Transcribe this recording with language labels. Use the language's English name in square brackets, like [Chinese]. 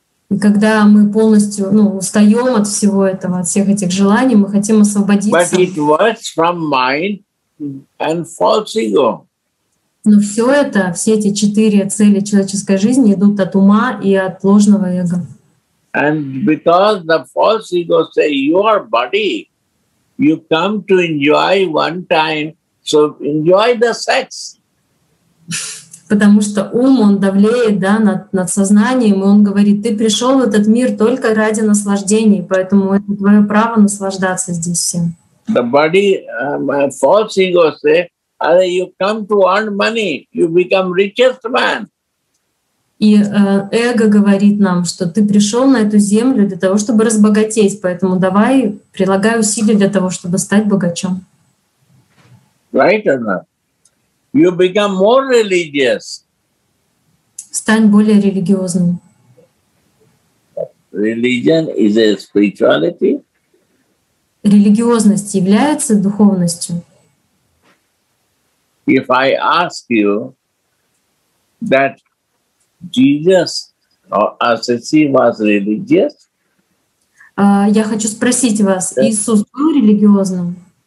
[Russian] И когда мы полностью устаем от всего этого, от всех этих желаний, мы хотим освободиться. Но все это, все эти четыре цели человеческой жизни идут от ума и от ложного эго. [English] And because the false ego say your body, you come to enjoy one time, so enjoy the sex. [Russian] Потому что ум он давлеет, да, над сознанием, и он говорит: ты пришел в этот мир только ради наслаждений, поэтому это твое право наслаждаться здесь всем. [English] The body, false ego say, are you come to earn money, you become richest man. [Russian] И эго говорит нам, что ты пришел на эту землю для того, чтобы разбогатеть, поэтому давай, прилагай усилия для того, чтобы стать богачом. [English] Right or not? You become more religious. [Russian] Стань более религиозным. [English] Religion is a spirituality. [Russian] Религиозность является духовностью. [English] If I ask you that Jesus or Assisi was religious? [Russian] Я хочу спросить вас, Иисус был религиозным?